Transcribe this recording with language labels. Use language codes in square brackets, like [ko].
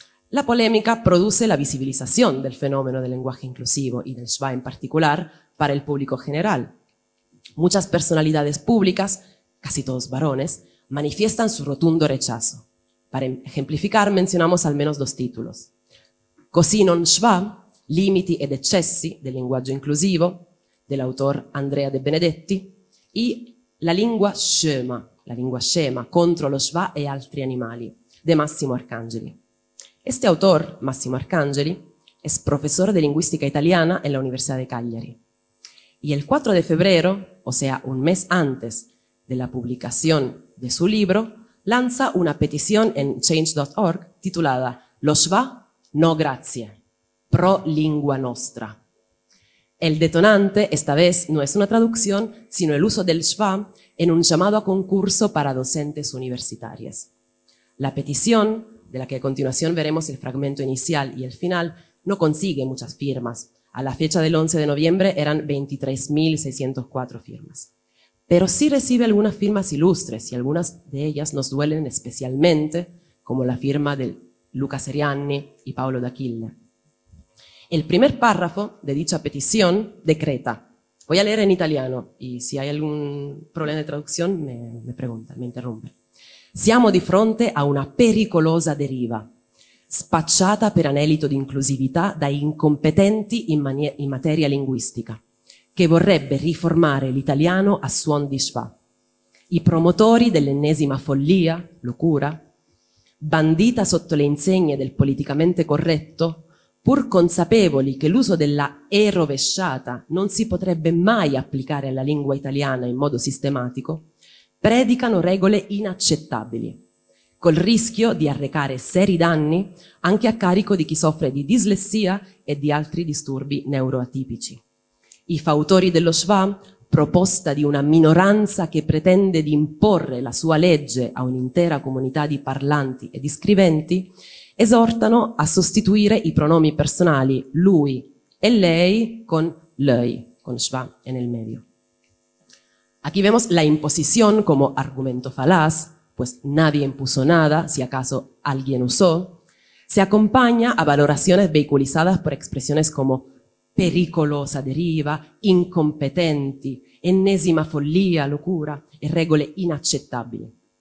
[es] La polémica produce la visibilización del fenómeno del lenguaje inclusivo y del schwa en particular para el público general. Muchas personalidades públicas, casi todos varones, manifiestan su rotundo rechazo. Para ejemplificar, mencionamos al menos dos títulos. [it] «Così non schwa», Limiti ed eccessi del linguaggio inclusivo, dell'autor Andrea De Benedetti, e la lingua scema contro lo schwa e altri animali, [es] de Massimo Arcangeli. Este autor, Massimo Arcangeli, es profesor de lingüística italiana en la Universidad de Cagliari. Y el 4 de febrero, o sea, un mes antes de la publicación de su libro, lanza una petición en change.org titulada [it] «Lo schwa, no grazie». [es] Pro lingua nostra. El detonante, esta vez, no es una traducción, sino el uso del schwa en un llamado a concurso para docentes universitarias. La petición, de la que a continuación veremos el fragmento inicial y el final, no consigue muchas firmas. A la fecha del 11 de noviembre eran 23.604 firmas. Pero sí recibe algunas firmas ilustres, y algunas de ellas nos duelen especialmente, como la firma de Luca Serianni y Paolo D'Achille. El primer párrafo de dicha petición decreta, voy a leer en italiano y si hay algún problema de traducción me pregunta, me interrumpe. [it] Siamo di fronte a una pericolosa deriva, spacciata per anelito di inclusività da incompetenti in materia linguistica, che vorrebbe riformare l'italiano a suon di schwa. I promotori dell'ennesima follia, [es] locura, [it] bandita sotto le insegne del politicamente corretto, pur consapevoli che l'uso della E rovesciata non si potrebbe mai applicare alla lingua italiana in modo sistematico, predicano regole inaccettabili, col rischio di arrecare seri danni anche a carico di chi soffre di dislessia e di altri disturbi neuroatipici. I fautori dello schwa, proposta di una minoranza che pretende di imporre la sua legge a un'intera comunità di parlanti e di scriventi, esortano a sostituire i pronomi personali lui e lei con lei, con schwa [es] en el medio. Aquí vemos la imposición como argumento falaz, pues nadie impuso nada, si acaso alguien usó, se acompaña a valoraciones vehiculizadas por expresiones como [it] pericolosa deriva, incompetenti, ennesima follia, [es] locura e [it] regole inaccettabili.